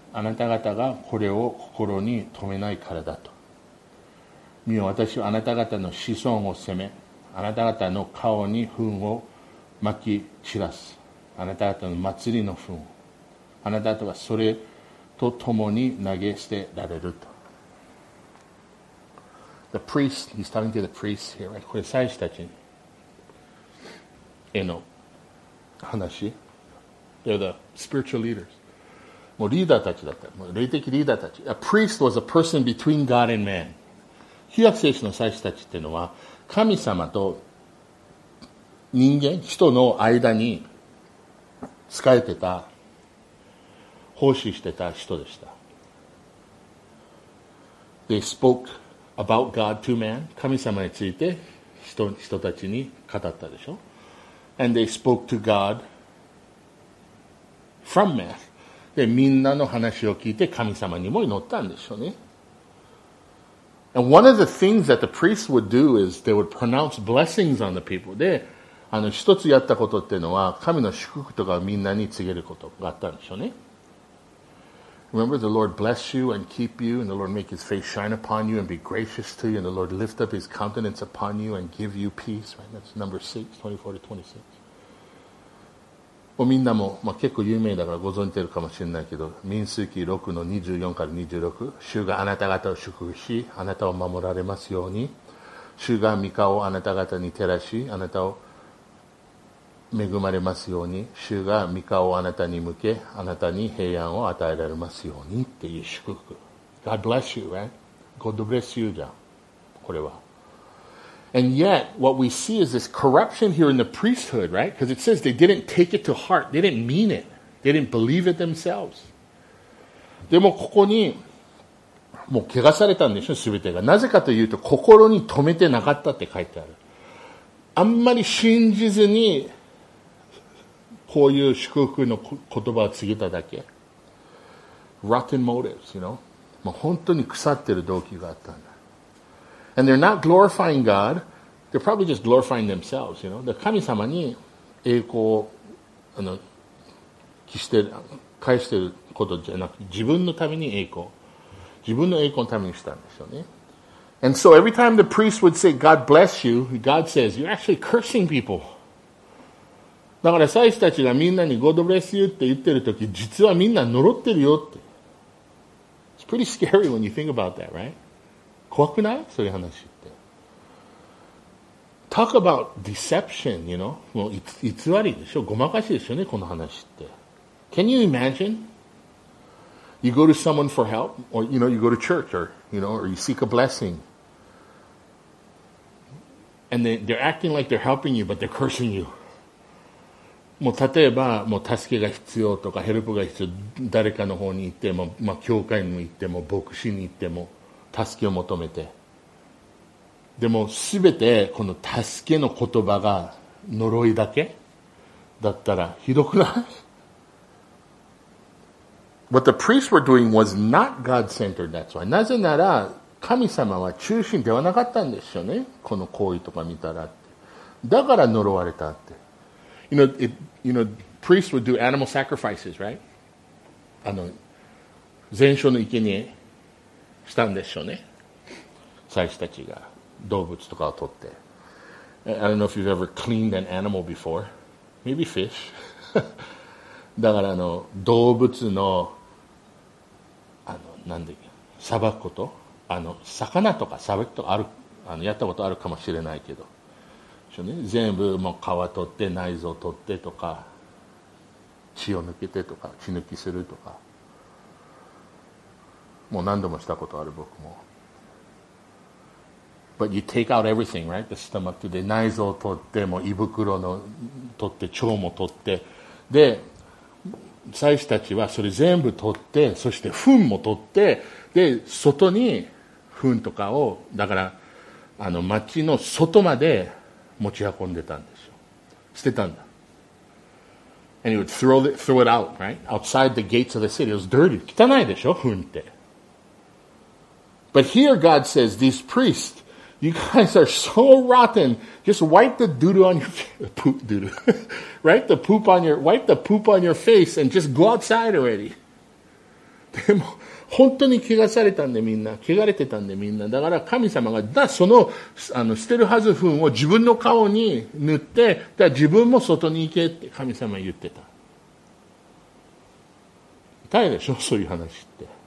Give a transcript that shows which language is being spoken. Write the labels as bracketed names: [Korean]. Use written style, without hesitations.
[Japanese] あなた方がこれを心に留めないからだと。見よ、私はあなた方の子孫を責め、あなた方の顔に糞をまき散らす。あなた方の祭りの糞を、あなた方はそれと共に投げ捨てられると。 [English] The priest, he's talking to the priest here, right? [Japanese] これ祭司たちへの話。 [English] They're the spiritual leaders. [Japanese] もうリーダーたちだった。もう霊的リーダーたち。 [English] A priest was a person between God and man. [Japanese] 旧約聖書の祭司たちっていうのは、神様と人間、人の間に仕えてた、奉仕してた人でした。 [English] They spoke about God to man. [Japanese] 神様について人たちに語ったでしょ。 [English] And they spoke to God. From man. [Japanese] で、みんなの話を聞いて神様にも祈ったんでしょうね。 [English] And one of the things that the priests would do is they would pronounce blessings on the people. [Japanese] で、あの一つやったことっていうのは、神の祝福とかをみんなに告げることがあったんでしょうね。 [English] Remember, the Lord bless you and keep you, and the Lord make his face shine upon you and be gracious to you, and the Lord lift up his countenance upon you and give you peace. Right? That's number 6, 24 to 26. [Japanese] みんなも、まあ、結構有名だからご存じてるかもしれないけど、民数記6の24から26、主があなた方を祝福し、あなたを守られますように、主が御顔をあなた方に照らし、あなたを恵まれますように、主が御顔をあなたに向け、あなたに平安を与えられますようにっていう祝福。 [English] God bless you, right? God bless you, [Japanese] じゃん。これは。 [English] And yet, what we see is this corruption here in the priesthood, right? Because it says they didn't take it to heart. They didn't mean it. They didn't believe it themselves. [Japanese] でもここに、もう汚されたんでしょ、すべてが。なぜかというと、心に留めてなかったって書いてある。あんまり信じずに、こういう祝福の言葉を告げただけ。 [English] Rotten motives, you know? [Japanese] もう本当に腐ってる動機があったんだ。 [English] And they're not glorifying God. They're probably just glorifying themselves, you know. [Japanese] 神様に栄光を、あの、返してることじゃなく、自分のために栄光。自分の栄光のためにしたんですよね。 [English] And so every time the priest would say, God bless you, God says, you're actually cursing people. [Japanese] だから祭司たちがみんなに [English] God bless you [Japanese] って言ってるとき、実はみんな呪ってるよって。 [English] It's pretty scary when you think about that, right? [Japanese] 怖くない?そういう話って。 [English] Talk about deception, you know? [Japanese] もう偽りでしょ? ごまかしでしょね、この話って。 [English] Can you imagine? You go to someone for help, or you know, you go to church, or you know, or you seek a blessing. And they're acting like they're helping you, but they're cursing you. [Japanese] もう例えば、もう助けが必要とか、ヘルプが必要、誰かの方に行っても、まあ、教会に行っても、牧師に行っても、助けを求めて。でも、すべて、この助けの言葉が呪いだけだったら、ひどくない? [English] What the priests were doing was not God-centered, that's why. [Japanese] なぜなら、神様は中心ではなかったんですよね。この行為とか見たらって。だから呪われたって。 [English] You know, priests would do animal sacrifices, right? [Japanese] あの、全焼の生贄したんでしょうね。祭司たちが動物とかを取って。 [English] I don't know if you've ever cleaned an animal before. Maybe fish. [Japanese] だからあの、動物の、あの、なんで、さばくこと? あの、魚とかさばくとかある、あの、やったことあるかもしれないけど。全部もう皮取って内臓取ってとか血を抜けてとか血抜きするとかもう何度もしたことある僕も [English] But you take out everything, right? The stomach to the [Japanese] 内臓を取ってもう胃袋の取って腸も取ってで祭司たちはそれ全部取ってそして糞も取ってで外に糞とかをだからあの町の外まで持ち運んでたんですよ。捨てたんだ。 [English] And he would throw it out, right? Outside the gates of the city. It was dirty. [Japanese] 汚いでしょ?ふんって。 [English] But here God says, these priests, you guys are so rotten. Just wipe the doo-doo on your face. Poop doo-doo. Right? Wipe the poop on your face and just go outside already. [Japanese] でも、本当に汚されたんでみんな。汚れてたんでみんな。だから神様が、だ、その、あの、捨てるはず糞を自分の顔に塗って、だ、自分も外に行けって神様言ってた。痛いでしょそういう話って。